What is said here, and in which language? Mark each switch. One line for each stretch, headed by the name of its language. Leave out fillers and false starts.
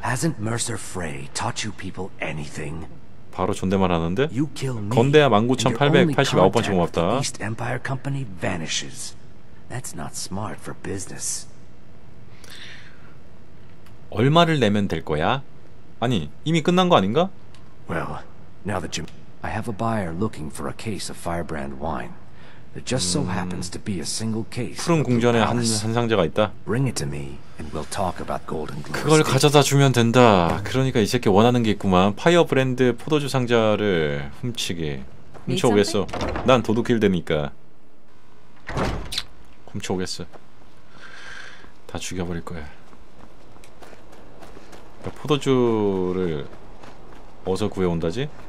English: Hasn't Mercer Frey taught you people anything?
Korean: 바로 존댓말 하는데. 건대야 19,889번째 고맙다.
English: East Empire Company vanishes. That's not smart for business.
Korean: 얼마를 내면 될 거야? 아니 이미 끝난 거 아닌가?
English: Well, now that you, I have a buyer looking for a case of Firebrand wine. It just so happens to be a single case.
Korean: 푸른 궁전에 한 상자가 있다.
English: Bring it to me, and we'll talk about Golden Glow.
Korean: 그걸 가져다 주면 된다. 그러니까 이 새끼 원하는 게 있구만. 파이어브랜드 포도주 상자를 훔치게. 훔쳐오겠어. 난 도둑일 테니까. 훔쳐오겠어. 다 죽여버릴 거야. 포도주를 어디서 구해온다지?